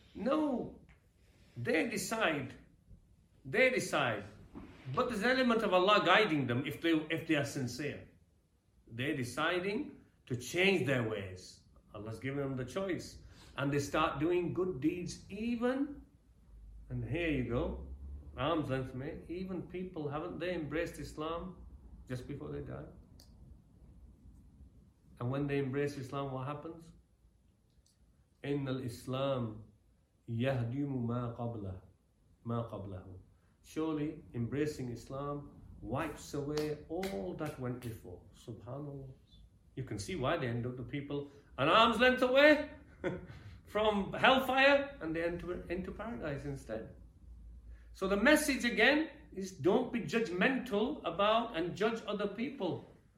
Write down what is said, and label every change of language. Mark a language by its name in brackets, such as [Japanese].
[English] No, they decide. But there's an element of Allah guiding them if they are sincere. They're deciding to change their ways. Allah's given them the choice. And they start doing good deeds even, and here you go, arm's length, mate, even people, haven't they embraced Islam just before they die? And when they embrace Islam, what happens? [Arabic] إن الإسلام يهدم ما قبله ما قبله. [English] Surely embracing Islam wipes away all that went before. SubhanAllah. You can see why they end up the people an arm's length away from hellfire, and they enter into paradise instead. So the message again is, don't be judgmental about and judge other people.